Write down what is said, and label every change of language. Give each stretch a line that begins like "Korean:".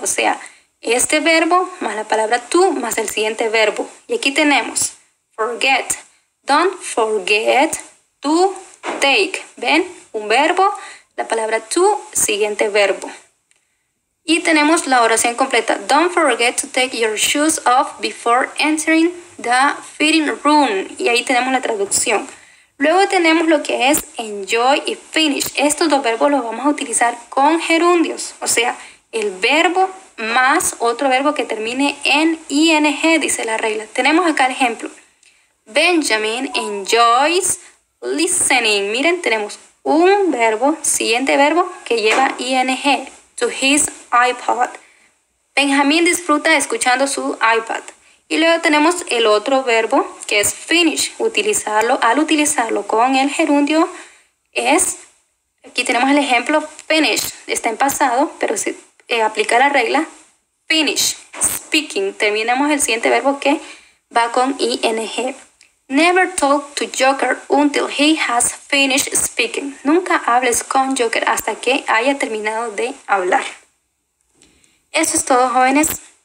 Spanish: O sea, este verbo más la palabra to más el siguiente verbo. Y aquí tenemos
English: forget. Don't forget to take. ¿Ven?
Spanish: Un verbo, la palabra to, siguiente verbo. Y tenemos la oración completa.
English: Don't forget to take your shoes off before entering the fitting room.
Spanish: Y ahí tenemos la traducción. Luego tenemos lo que es enjoy y finish. Estos dos verbos los vamos a utilizar con gerundios. O sea, el verbo más otro verbo que termine en ing, dice la regla. Tenemos acá el ejemplo.
English: Benjamin enjoys listening.
Spanish: Miren, tenemos un verbo, siguiente verbo, que lleva ing,
English: to his iPod.
Spanish: Benjamin disfruta escuchando su iPod. Y luego tenemos el otro verbo, que es finish. Utilizarlo, al utilizarlo con el gerundio, es, aquí tenemos el ejemplo, finish. Está en pasado, pero si aplica la regla, finish, speaking. Terminamos el siguiente verbo que va con ing.
English: Never talk to Joker until he has finished speaking.
Spanish: Nunca hables con Joker hasta que haya terminado de hablar. Eso es todo, jóvenes.